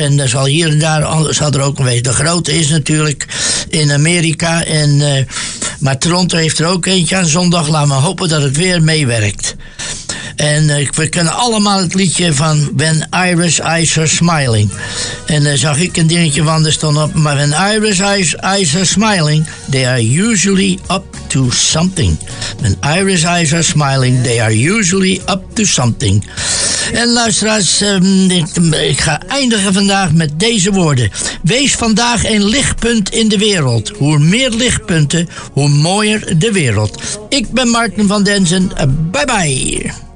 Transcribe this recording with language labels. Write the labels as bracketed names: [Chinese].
[Dutch] En er zal hier en daar zal er ook een wezen. De grote is natuurlijk in Amerika. En, maar Toronto heeft er ook eentje aan zondag. Laat maar hopen dat het weer meewerkt. En we kennen allemaal het liedje van When Irish Eyes Are Smiling. En daar zag ik een dingetje van, er stond op. Maar [English] when Irish eyes are smiling, they are usually up to something. When Irish eyes are smiling, they are usually up to something. [Dutch] En luisteraars, ik ga eindigen vandaag met deze woorden. Wees vandaag een lichtpunt in de wereld. Hoe meer lichtpunten, hoe mooier de wereld. Ik ben Martin van Denzen. [English] Bye bye.